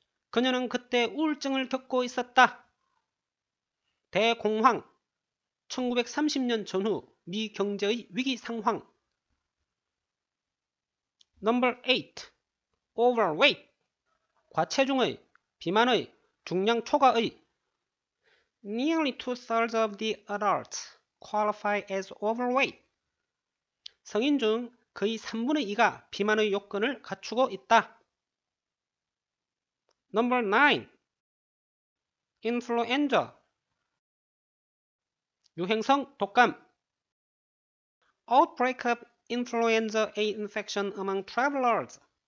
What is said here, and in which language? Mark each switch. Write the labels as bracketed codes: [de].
[ko] 그녀는 그때 우울증을 겪고 있었다. 대공황. 1930년 전후 미 경제의 위기 상황. [en] Number 8. Overweight. [ko] 과체중의, 비만의, 중량 초과의. [en] Nearly two-thirds of the adults qualify as overweight. [ko] 성인 중 거의 3분의 2가 비만의 요건을 갖추고 있다. [en] Number 9. Influenza. [ko] 유행성 독감. [en] Outbreak of influenza A infection among travelers.